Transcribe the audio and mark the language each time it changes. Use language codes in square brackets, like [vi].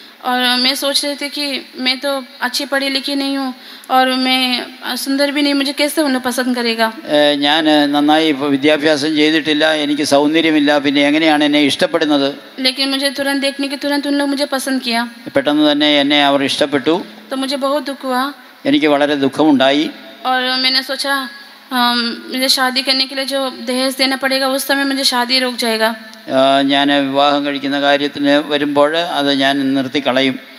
[hi] और मैं सोच रही थी कि मैं तो अच्छी पढ़ी लिखी नहीं हूँ और मैं सुंदर भी नहीं मुझे कैसे उन्हें पसंद करेगा [ml] ഞാൻ നന്നായി വിദ്യാഭ്യാസം ചെയ്തിട്ടില്ല എനിക്ക് സൗന്ദര്യമില്ല പിന്നെ എങ്ങനെയാണ് എന്നെ ഇഷ്ടപ്പെടുന്നത് [hi] लेकिन मुझे तुरंत देखने के तुरंत उन्होंने मुझे पसंद किया [ml] പെട്ടെന്ന് തന്നെ എന്നെ അവർ ഇഷ്ടപ്പെട്ടു [hi] तो मुझे बहुत दुख हुआ [ml] എനിക്ക് വളരെ ദുഃഖമുണ്ടായി [hi] और मैंने सोचा मुझे शादी करने के लिए जो दहेज देना पड़ेगा उस समय मुझे शादी रुक जाएगा [ml] ഞാൻ വിവാഹം കഴിക്കുന്ന കാര്യത്തിന് വരുമ്പോൾ അത് ഞാൻ നിർത്തി കളയും